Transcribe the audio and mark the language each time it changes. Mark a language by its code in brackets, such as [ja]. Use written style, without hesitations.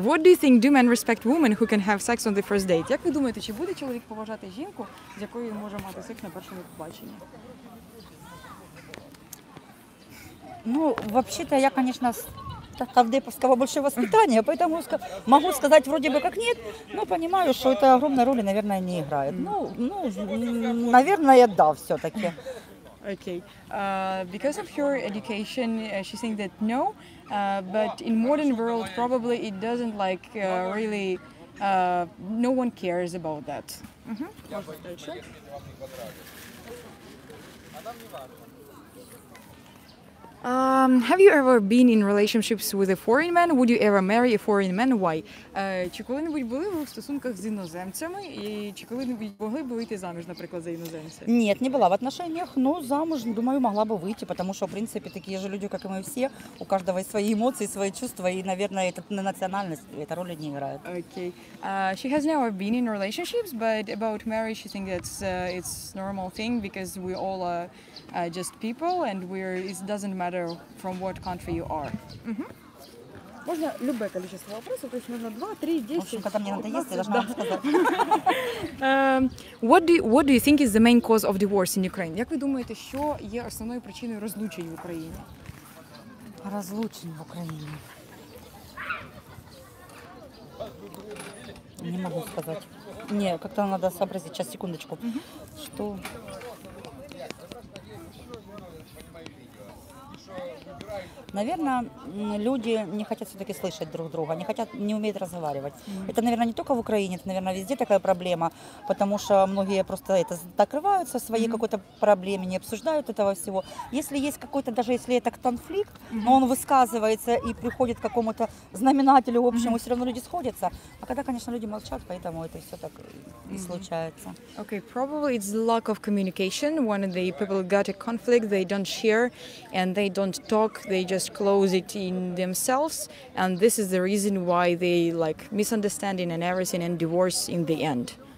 [en] What do you think, do men respect women who can have sex on the first date? [uk] Як ви думаєте, чи буде чоловік поважати жінку, з якою він може мати секс на першому побаченні? [ru] Ну, вообще-то я, конечно, кавдеповского больше воспитания, поэтому могу сказать вроде бы как нет, но понимаю, что это огромной роли, наверное, не играет. Ну, наверное, да, все-таки. [en] Okay. Because of your education, she think that no, but in modern world probably it doesn't like really no one cares about that. Mm-hmm. Have you ever been in relationships with a foreign man? Would you ever marry a foreign man? Why? [uk] Чи коли-небудь були ви в стосунках з іноземцями? І чи коли-небудь могли б вийти заміж, наприклад, за іноземця? Ні, не була [ru] в отношениях, но [uk] замуж, думаю, могла б вийти, тому що, в принципі, такі ж люди, як і ми всі, у кожного свої емоції, свої чувства, і, наверное, це не національність, ця роль не грає. [en] Okay. She has never been in relationships, but about marriage, she thinks it's normal thing because we all are just people and it doesn't matter from what country you are. [uk] Можна любе [ru] количество вопросов, [uk] тобто можна 2, 3, 10. [ru] В общем, когда мне надо есть, я должна [en] What do you think is the main cause of divorce in Ukraine? [uk] Як ви думаєте, що є основною причиною розлучень в Україні? Розлучень в Україні. [ru] Не могу сказать. Не, как-то надо сообразить. Сейчас, секундочку. Что? Наверное, люди не хотят все-таки слышать друг друга, не умеют разговаривать. Это, наверное, не только в Украине, это, наверное, везде такая проблема, потому что многие просто закрываются в своей какой-то проблеме, не обсуждают этого всего. Если есть какой-то, даже если это конфликт, но он высказывается и приходит к какому-то знаменателю общему, все равно люди сходятся. А когда, конечно, люди молчат, поэтому это все так и случается. [en] Okay, probably it's lack of communication. When the people got a conflict, they don't share and they don't talk. They just close it in themselves, and this is the reason why they like misunderstanding and everything and divorce in the end.